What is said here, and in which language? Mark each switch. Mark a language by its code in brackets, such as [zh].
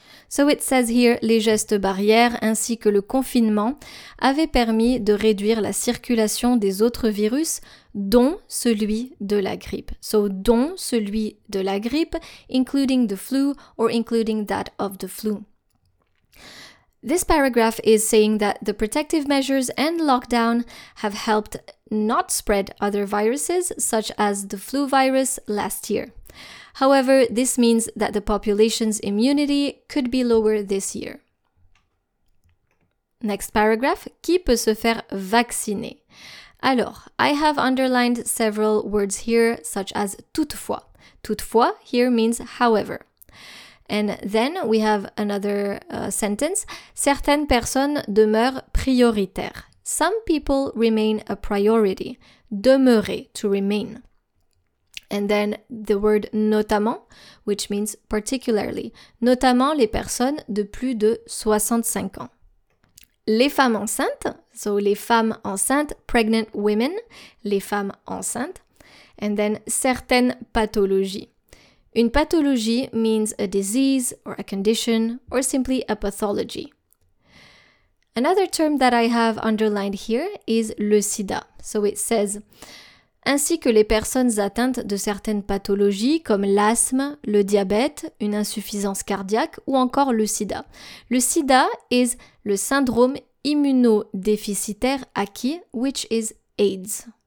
[en] So it says here, [fr] les gestes barrières ainsi que le confinement avaient permis de réduire la circulation des autres virus, dont celui de la grippe. [en] So, [fr] dont celui de la grippe, [en] including the flu or including that of the flu. This paragraph is saying that the protective measures and lockdown have helped not spread other viruses, such as the flu virus last year. However, this means that the population's immunity could be lower this year. Next paragraph, [fr] qui peut se faire vacciner? Alors, [en] I have underlined several words here, such as toutefois. Toutefois here means however. And then we have another sentence. [fr] Certaines personnes demeurent prioritaires. [en] Some people remain a priority. Demeurer, to remain. And then the word notamment, which means particularly. [fr] Notamment les personnes de plus de 65 ans. Les femmes enceintes, so les femmes enceintes, [en] pregnant women, [fr] les femmes enceintes. [en] And then certaines pathologies. [fr] Une pathologie [en] means a disease or a condition or simply a pathology. Another term that I have underlined here is le sida. So it says, [fr] ainsi que les personnes atteintes de certaines pathologies comme l'asthme, le diabète, une insuffisance cardiaque ou encore le sida. Le sida is le syndrome immunodéficitaire acquis, [en] which is AIDS.